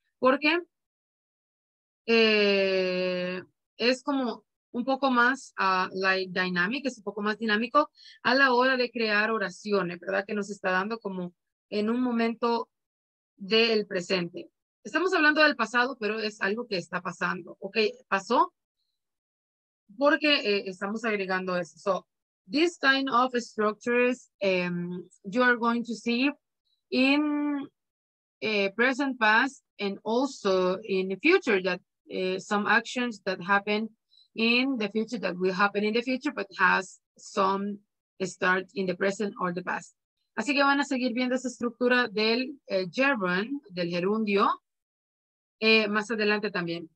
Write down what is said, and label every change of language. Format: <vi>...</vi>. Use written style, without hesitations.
<es>Porque es como un poco más</es> <en>like dynamic,</en> <es>es un poco más dinámico a la hora de crear oraciones, ¿verdad? Que nos está dando como en un momento del presente. Estamos hablando del pasado, pero es algo que está pasando. Ok, pasó porque estamos agregando eso.</es> <en>So, this kind of structures you are going to see in present, past, and also in the future, that some actions that happen in the future, that will happen in the future, but has some start in the present or the past.</en> <es>Así que van a seguir viendo esa estructura del gerund, del gerundio, más adelante también.</es>